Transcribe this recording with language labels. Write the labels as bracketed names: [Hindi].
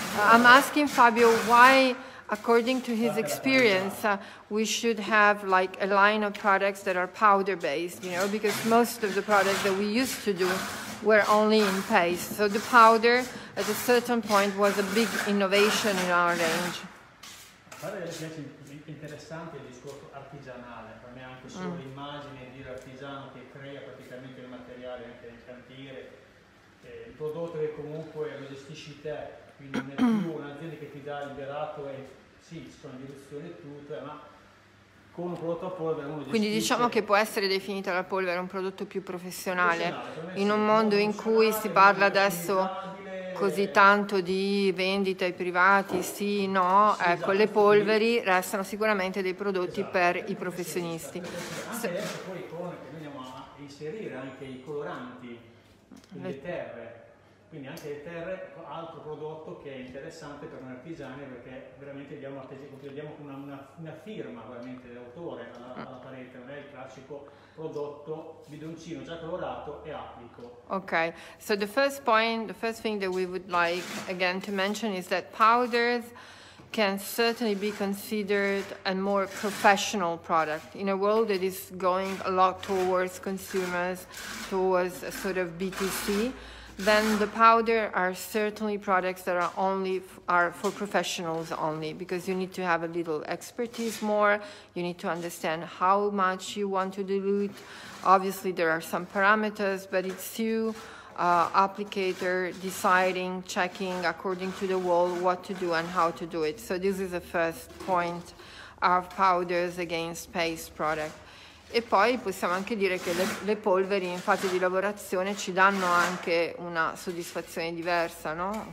[English] I'm asking Fabio why, according to his experience, we should have like a line of products that are powder based, you know, because most of the products that we used to do were only in paste. So the powder at a certain point was a big innovation in our range. [Italian] Interessante il discorso artigianale, per me anche solo l'immagine di un artigiano che crea praticamente il materiale anche nel cantiere, il prodotto che comunque lo gestisci te, quindi non è più un'azienda che ti dà liberato e sì, ci sono direzioni e tutto, ma con un prodotto a polvere uno gestisce. Quindi diciamo che può essere definita la polvere un prodotto più professionale, in un mondo in cui si parla adesso così tanto di vendita ai privati, sì, no, ecco, le polveri restano sicuramente dei prodotti per i professionisti. Anche adesso poi con, che noi andiamo a inserire anche i coloranti, le terre, quindi anche le terre, altro prodotto che è interessante per un artigiano, perché veramente diamo una firma veramente d'autore alla parete, non è il classico prodotto bidoncino già colorato e applico. [English] Ok, so the first point, the first thing that we would like again to mention is that powders can certainly be considered a more professional product in a world that is going a lot towards consumers, towards a sort of B2C. Then the powder are certainly products that are only are for professionals only, because you need to have a little expertise more, you need to understand how much you want to dilute. Obviously there are some parameters, but it's you, applicator, deciding, checking according to the wall what to do and how to do it. So this is the first point of powders against paste product. [Italian] E poi possiamo anche dire che le polveri in fase di lavorazione ci danno anche una soddisfazione diversa, no?